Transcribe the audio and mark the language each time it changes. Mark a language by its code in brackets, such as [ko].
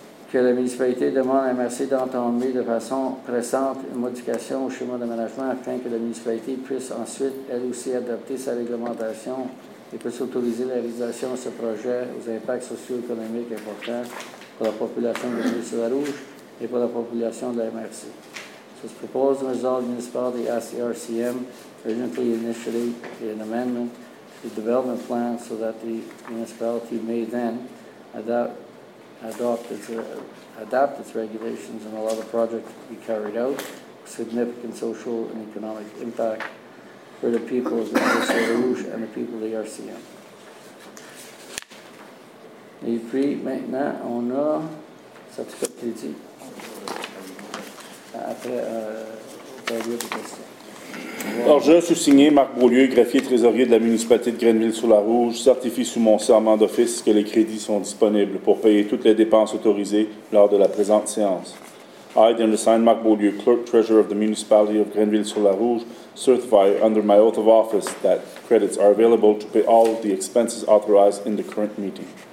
[fr] Que la municipalité demande à MRC d'entamer de façon pressante une modification au schéma d'aménagement afin que la municipalité puisse ensuite, elle aussi, adapter sa réglementation et peut s'autoriser la réalisation de ce projet aux impacts socio-économiques importants pour la population de l'Île-sur-la-Rouge et pour la population de la MRC. [en] So it's proposed and resolved municipal the ACRCM urgently initiate an amendment to the development plan so that the municipality may then adapt its regulations and allow the project to be carried out with significant social and economic impact for the people of the Île-sur-la-Rouge and the people of the RCM. [fr] Et puis, maintenant, on a certificat de crédit. Après, période de question. Alors, je suis signé Marc Beaulieu, greffier trésorier de la municipalité de Grenville-sur-la-Rouge, certifie sous mon serment d'office que les crédits sont disponibles pour payer toutes les dépenses autorisées lors de la présente séance. [en] I, then assigned Marc Beaulieu, clerk treasurer of the municipality of Grenville-sur-la-Rouge, certify under my oath of office that credits are available to pay all of the expenses authorized in the current meeting.